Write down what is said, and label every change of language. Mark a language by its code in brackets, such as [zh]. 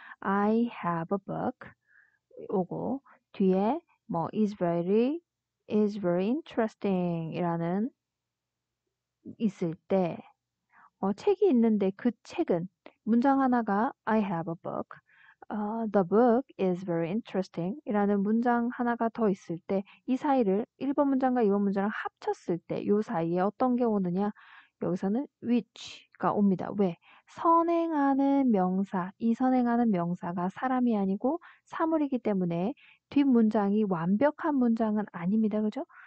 [en] I have a book. [ko] 오고, 뒤에, 뭐, [en] is very interesting. [ko] 이라는, 있을 때, 책이 있는데 그 책은, 문장 하나가 [en] I have a book. The book is very interesting. [ko] 이라는 문장 하나가 더 있을 때, 이 사이를 1번 문장과 2번 문장을 합쳤을 때, 요 사이에 어떤 게 오느냐? 여기서는 which가 옵니다. 왜? 선행하는 명사. 이 선행하는 명사가 사람이 아니고 사물이기 때문에 뒷문장이 완벽한 문장은 아닙니다. 그죠?